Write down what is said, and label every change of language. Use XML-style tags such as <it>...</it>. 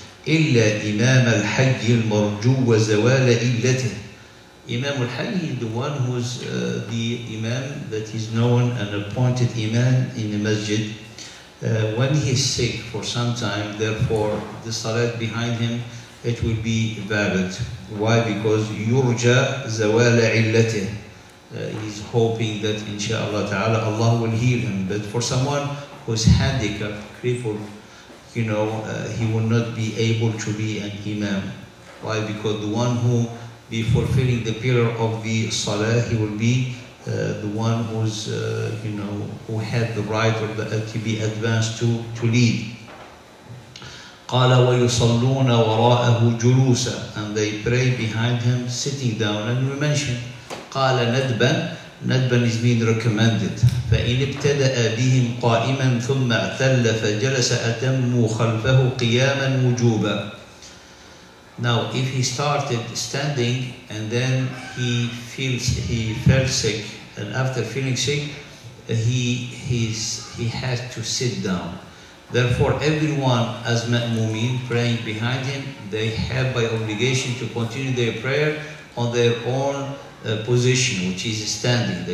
<ar>إلا إمام الحج المرجو وزوال إلته.</ar> <en>Imam al-Hayy, the one who's the imam that is known and appointed imam in the masjid. When he is sick for some time, therefore the salat behind him, it will be valid. Why? Because</en> <ar>yurja zawala illatih.</ar> <en>He's hoping that inshaAllah ta'ala Allah will heal him. But for someone who's handicapped, crippled, you know, he will not be able to be an imam. Why? Because the one who be fulfilling the pillar of the salat, he will be the one who's, you know, who had the right of the, to be advanced to lead.</en> <ar>قال ويصلون وراءه جلوسا,</ar> <en>and they pray behind him sitting down. And we mentioned</en> <ar>قال ندبا,</ar> <en>ندبا is mean recommended.</en> <ar>فإن ابتدأ بهم قائما ثم اعتل فجلس أتموا خلفه قياما وجوبا.</ar> <en>Now, if he started standing and then he felt sick, and after feeling sick, he had to sit down. Therefore, everyone as ma'mumin praying behind him, they have by obligation to continue their prayer on their own position, which is standing.</en>